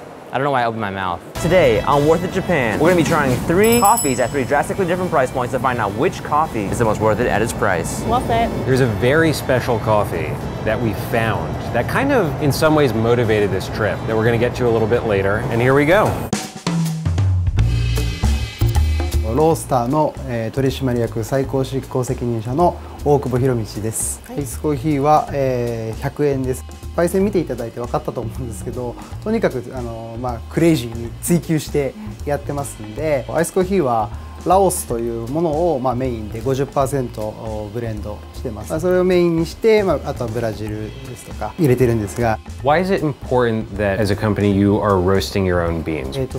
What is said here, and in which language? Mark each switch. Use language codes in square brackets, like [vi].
[en] I don't know why I opened my mouth. Today on Worth It Japan, we're gonna be trying three coffees at three drastically different price points to find out which coffee is the most worth it at its price. Worth it. There's a very special coffee that we found that kind of, in some ways, motivated this trip that we're gonna get to a little bit later. And here we go. [ja] ロースターの取締役最高執行責任者の大久保博道です。アイスコーヒーは100円です。焙煎見ていただいて分かったと思うんですけど、とにかくクレイジーに追求してやってますんで、アイスコーヒーはラオスというものをメインで 50% ブレンドしてます。それをメインにして、あとはブラジルですとか入れてるんですが。 [en] Why is it important that as a company you are roasting your own beans?